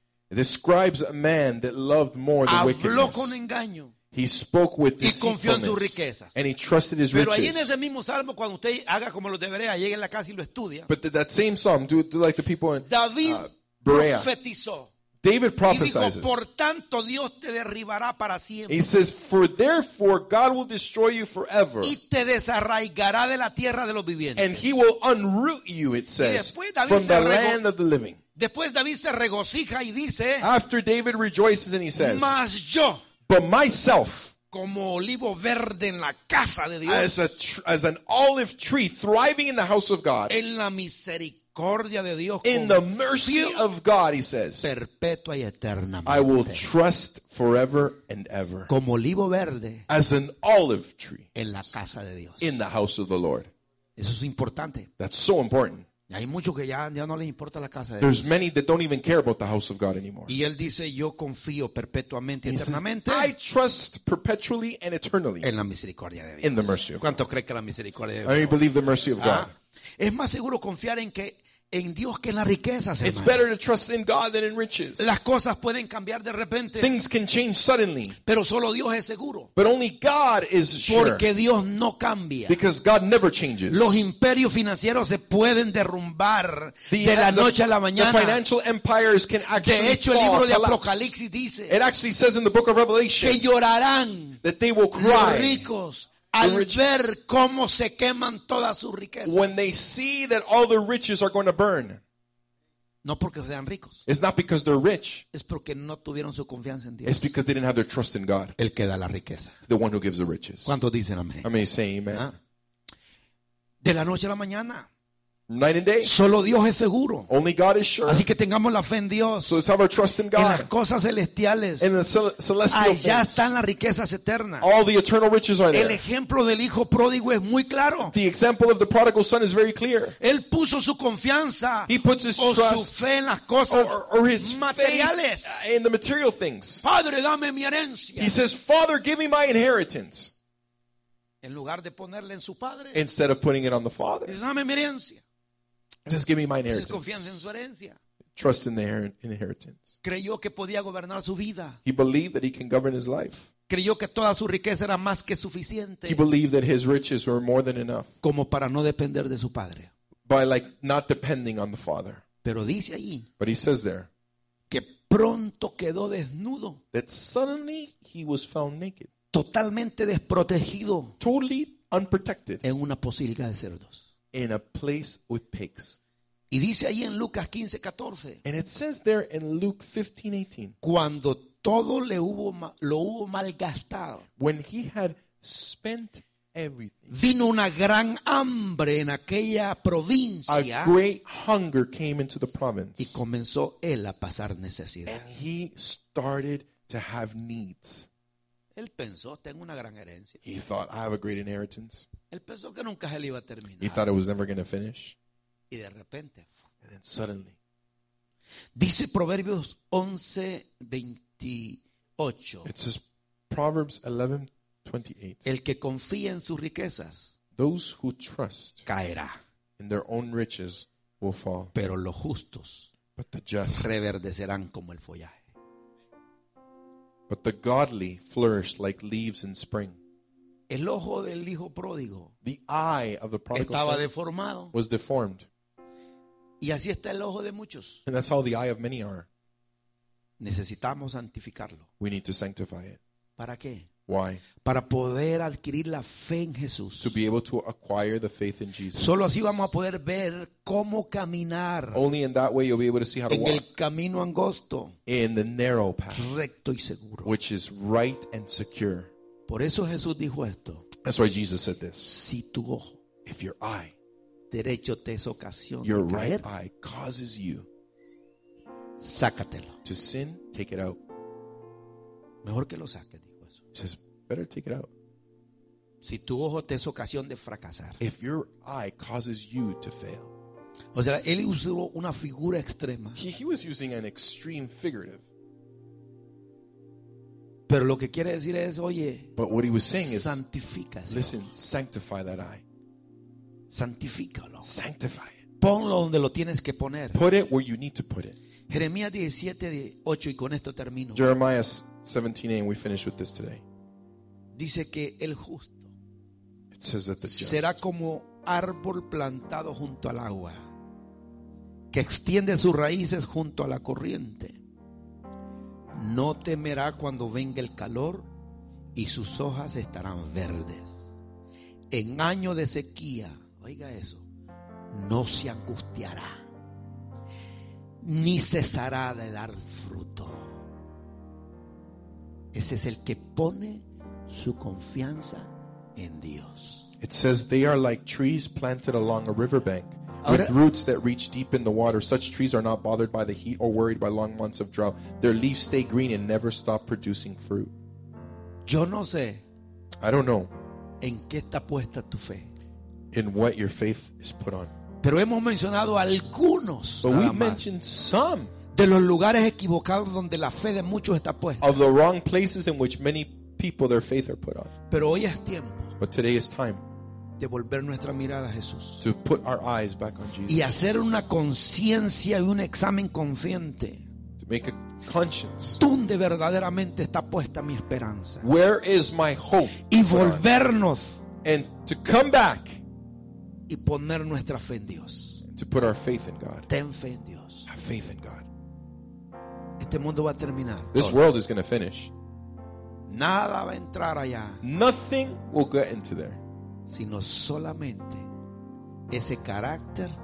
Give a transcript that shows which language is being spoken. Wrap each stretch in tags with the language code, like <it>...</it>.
<en>It describes a man that loved more than</en> <es>habló</es> <en>wickedness.</en> <es>Habló con engaño.</es> <en>He spoke with</en> <es>y confió en sus riquezas.</es> <en>And he trusted his</en> <es>pero</es> <en>riches.</en> <es>Pero ahí en ese mismo salmo, cuando usted haga como lo debería, llegue a la casa y lo estudia.</es> <en>But that same psalm, do like the people in David Berea.</en> <es>Profetizó.</es> <en>David prophesizes.</en> <es>Y dijo, por tanto, Dios te derribará para siempre.</es> <en>He says, for therefore God will destroy you forever.</en> <es>Y te desarraigará de la tierra de los vivientes.</es> <en>And he will unroot you, it says, from the land of the living.</en> <es>Después David se regocija y dice,</es> <en>after David rejoices and he says,</en> <es>mas yo,</es> <en>but myself,</en> <es>como olivo verde en la casa de Dios,</es> <en>as an olive tree thriving in the house of God,</en> <es>en la misericordia.</es> <en>In the mercy of God, he says,</en> <es>perpetua y eternamente.</es> <en>I will trust forever and ever.</en> <es>Como olivo verde,</es> <en>as an olive tree.</en> <es>En la casa de Dios.</es> <en>In the house of the Lord.</en> <es>Eso es importante.</es> <en>That's so important.</en> <es>Hay muchos que ya no les importa la casa de</es> <en>There's</en> <es>Dios.</es> <en>Many that don't even care about the house of God anymore.</en> <es>Y él dice, yo confío perpetuamente y eternamente.</es> <en>Says, I trust perpetually and eternally.</en> <es>En la misericordia de Dios.</es> <en>In the mercy of God.</en> <es>¿Cuánto cree que la misericordia de Dios?</es> <en>I believe the mercy of God.</en> <es>Es más seguro confiar en que en Dios que en las riquezas.</es> <en>It's better to trust in God than in riches.</en> <es>Las cosas pueden cambiar de repente.</es> <en>Things can change suddenly.</en> <es>Pero solo Dios es seguro.</es> <en>But only God is</en> <es>porque</es> <en>sure.</en> <es>Porque Dios no cambia.</es> <en>Because God never changes.</en> <es>Los imperios financieros se pueden derrumbar de la noche a la mañana.</es> <en>The financial empires can actually</en> <es>de hecho,</es> <en>fall,</en> <es>el libro de</es> <en>collapse.</en> <es>Apocalipsis dice.</es> <en>It actually says in the book of Revelation.</en> <es>Que llorarán.</es> <en>That they will cry.</en> <es>Los ricos. Al ver cómo se queman todas sus riquezas.</es> <en>When they see that all their riches are going to burn.</en> <es>No porque sean ricos.</es> <en>It's not because they're rich.</en> <es>Es porque no tuvieron su confianza en Dios.</es> <en>It's because they didn't have their trust in God.</en> <es>El que da la riqueza.</es> <en>The one who gives the riches.</en> <es>¿Cuántos dicen amén?</es> <en>I mean, say amen. ¿Ah?</en> <es>De la noche a la mañana.</es> <en>Night and day.</en> <es>Solo Dios es seguro.</es> <en>Only God is sure.</en> <es>Así que tengamos la fe en Dios.</es> <en>So let's have our trust in God.</en> <es>En las cosas celestiales.</es> <en>In the celestial</en> <es>allá</es> <en>things.</en> <es>Están las riquezas eternas.</es> <en>All the eternal riches are there.</en> <es>El ejemplo del hijo pródigo es muy claro.</es> <en>The example of the prodigal son is very clear.</en> <es>Él puso su confianza.</es> <en>He puts his</en> <es>o</es> <en>trust</en> <es>su fe en las cosas</es> <en>or his</en> <es>materiales.</es> <en>Faith in the material things.</en> <es>Padre, dame mi herencia.</es> <en>He says, Father, give me my inheritance.</en> <es>En lugar de ponerle en su padre.</es> <en>Instead of putting it on the father.</en> <es>Dame mi herencia.</es> <en>Just give me my inheritance. Trust in the inheritance.</en> <es>Creyó que podía gobernar su vida.</es> <en>He believed that he can govern his life.</en> <es>Creyó que toda su riqueza era más que suficiente.</es> <en>He believed that his riches were more than enough.</en> <es>Como para no depender de su padre.</es> <en>By like not depending on the father.</en> <es>Pero dice ahí.</es> <en>But he says there.</en> <es>Que pronto quedó desnudo.</es> <en>That suddenly he was found naked.</en> <es>Totalmente desprotegido.</es> <en>Totally unprotected.</en> <es>En una pocilga de cerdos.</es> <en>In a place with pigs.</en> <es>Y dice ahí en Lucas 15:14.</es> <en>And it says there in Luke 15:18.</en> <es>Cuando todo lo hubo malgastado.</es> <en>When he had spent everything.</en> <es>Vino una gran hambre en aquella provincia.</es> <en>A great hunger came into the province.</en> <es>Y comenzó él a pasar necesidad.</es> <en>And he started to have needs.</en> <es>Él pensó, tengo una gran herencia.</es> <en>He thought, I have a great inheritance.</en> <es>Él pensó que nunca se le iba a terminar.</es> <en>He thought it was never going to finish.</en> <es>Y de repente.</es> <en>And then suddenly.</en> <es>Dice Proverbios 11:28.</es> <en>It says Proverbs 11:28.</en> <es>El que confía en sus riquezas.</es> <en>Those who trust.</en> <es>Caerá.</es> <en>In their own riches will fall.</en> <es>Pero los justos.</es> <en>But the just.</en> <es>Reverdecerán como el follaje.</es> <en>But the godly flourish like leaves in spring.</en> <es>El ojo del hijo pródigo.</es> <en>The eye of the prodigal</en> <es>estaba deformado.</es> <en>Was deformed.</en> <es>Y así está el ojo de muchos.</es> <en>And that's how the eye of many are.</en> <es>Necesitamos santificarlo.</es> <en>We need to sanctify it.</en> <es>¿Para qué?</es> <en>Why?</en> <es>Para poder adquirir la fe en Jesús.</es> <en>To be able to acquire the faith in Jesus.</en> <es>Solo así vamos a poder ver cómo caminar.</es> <en>Only in that way you'll be able to see how to walk.</en> <es>En el camino angosto.</es> <en>In the narrow path.</en> <es>Recto y seguro.</es> <en>Which is right and secure.</en> <es>Por eso Jesús dijo esto.</es> <en>That's why Jesus said this.</en> <es>Si tu ojo.</es> <en>If your eye.</en> <es>Derecho te es ocasión</es> <en>your</en> <es>de caer,</es> <en>right eye causes you.</en> <es>Sácatelo.</es> <en>To sin, take it out.</en> <es>Mejor que lo saques.</es> <en>He says, better take it out.</en> <es>Si tu ojo te es ocasión de fracasar.</es> <en>If your eye causes you to fail.</en> <es>O sea, él usó una figura extrema.</es> <en>He was using an extreme figurative.</en> <es>Pero lo que quiere decir es, oye,</es> <en>but what he was saying is,</en> <es>santifica.</es> <en>Listen, sanctify that eye.</en> <es>Santifícalo.</es> <en>Sanctify it.</en> <es>Ponlo donde lo tienes que poner.</es> <en>Put it where you need to put it.</en> <es>Jeremías 17:8 y con esto termino.</es> <en>Jeremiah 17:8, we finish with this today.</en> <es>Dice que el justo.</es> <en>It says that the just</en> <es>será como árbol plantado junto al agua, que extiende sus raíces junto a la corriente. No temerá cuando venga el calor y sus hojas estarán verdes. En año de sequía, oiga eso, no se angustiará. Ni cesará de dar fruto. Ese es el que pone su confianza en Dios.</es> <en>It says they are like trees planted along a riverbank, with roots that reach deep in the water. Such trees are not bothered by the heat or worried by long months of drought. Their leaves stay green and never stop producing fruit.</en> <es>Yo no sé.</es> <en>I don't know.</en> <es>¿En qué está puesta tu fe?</es> <en>In what your faith is put on.</en> <es>Pero hemos mencionado algunos</es> <en>some,</en> <es>de los lugares equivocados donde la fe de muchos está puesta.</es> <en>Of the wrong places in which many people their faith are put on.</en> <es>Pero hoy es tiempo.</es> <en>But today is time.</en> <es>de volver nuestra mirada a Jesús.</es> <en>To put our eyes back on Jesus.</en> <es>Y hacer una conciencia y un examen consciente.</es> <en>To make a conscience.</en> <es>¿Dónde verdaderamente está puesta mi esperanza?</es> <en>Where is my hope?</en> <es>Y volvernos.</es> <en>And to come back.</en> <es>Y poner nuestra fe en Dios.</es> <en>To put our faith in God.</en> <es>Ten fe en Dios.</es> <en>Have faith in God.</en> <es>Este mundo va a terminar.</es> <en>This world is going to finish.</en> <es>Nada va a entrar allá.</es> <en>Nothing will get into there.</en> <es>Sino solamente ese carácter.</es>